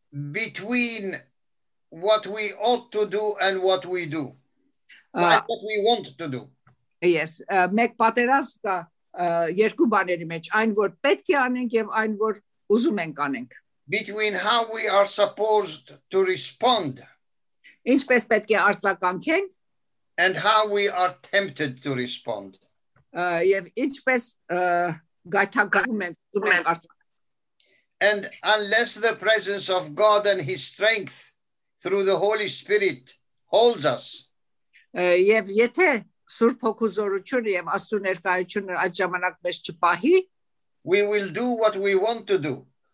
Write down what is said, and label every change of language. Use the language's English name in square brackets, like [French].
[English] Between what we ought to do and what we do. What we want to do. Yes. [Armenian] Մեկ պատերազմ երկու բաների մեջ, այն որ պետք է անենք եւ այն որ ուզում ենք անենք. [English] Between how we are supposed to respond. [Armenian] Ինչպես պետք է արձագանքենք. [English] And how we are tempted to respond. And unless the presence of God and His strength through the Holy Spirit holds us, we will do what we want to do.